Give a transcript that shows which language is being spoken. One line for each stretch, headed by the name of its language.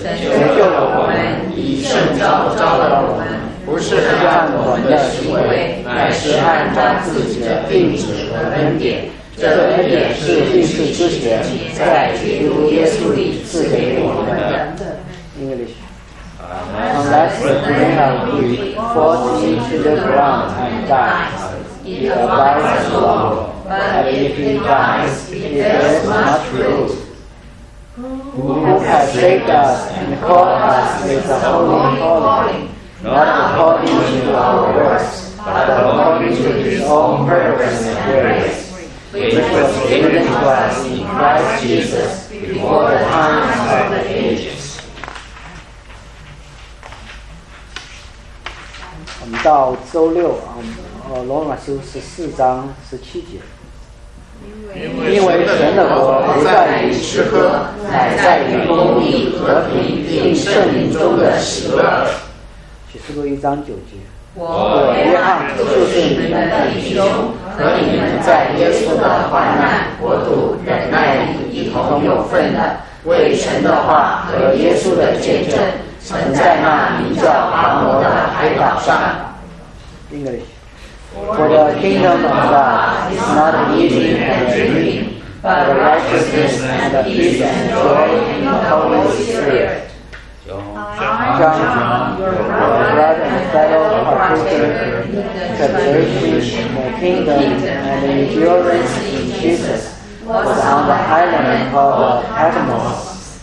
Chinese: 神救了我们，以圣召召了我们，不是按我们的行为，乃是按他自己的定旨和恩典。这恩典是历史之前在基督耶稣里赐给我们的。
English: English. Unless the grain of wheat falls into the ground and dies, it abides alone. But if he dies, he bears much fruit. Who has saved us and called us with a holy calling, not according to our works, but according to his own purpose and grace, which was given to us in Christ Jesus before the times of the ages.
Chinese: 到周六啊，罗马书十四章十七节。因为神的国不在于吃喝，乃在于公义、和平并圣灵中的喜乐。启示录一章九节。我约翰就是你们的弟兄，和你们在耶稣的患难、国度、忍耐里一同有份的，为神的话和耶稣的见证。曾在那名叫阿摩的海岛上。
English: English. For the kingdom of God is not eating and drinking, but righteousness and the peace and joy in the Holy Spirit. John, your brother and fellow partaker in the tribulation of the kingdom and endurance in Jesus, was on the island called Patmos.